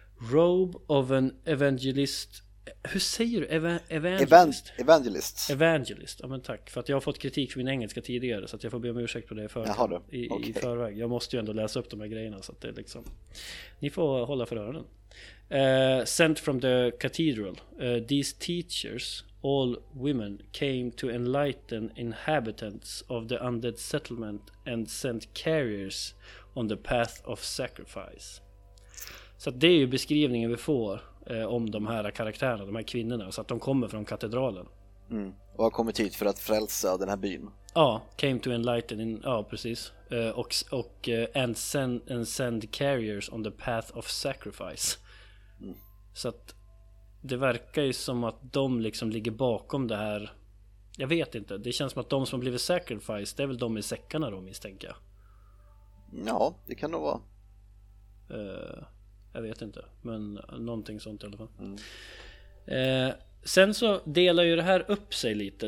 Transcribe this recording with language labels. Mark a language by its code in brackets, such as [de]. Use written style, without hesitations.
[en] Robe of an evangelist. [sv] Hur säger du? Evangelist. Evangelist. Ja, men tack. För att jag har fått kritik för min engelska tidigare, så att jag får be om ursäkt på det i förväg. Jag måste ju ändå läsa upp de här grejerna, så att det är liksom... Ni får hålla för öronen. [en] Sent from the cathedral. These teachers all women came to enlighten inhabitants of the undead settlement and sent carriers on the path of sacrifice. [sv] Så det är ju beskrivningen vi får om de här karaktärerna, de här kvinnorna, så att de kommer från katedralen. Mm. Och har kommit hit för att frälsa den här byn. Ja, [en] came to enlighten, [sv] ja precis. Och [en] and send carriers on the path of sacrifice. Mm. [sv] Så att det verkar ju som att de liksom ligger bakom det här. Jag vet inte, det känns som att de som har blivit sacrificed, det är väl de i säckarna då, misstänker jag. Ja, det kan nog vara. Jag vet inte, men någonting sånt i alla fall. Mm. Sen så delar ju det här upp sig lite.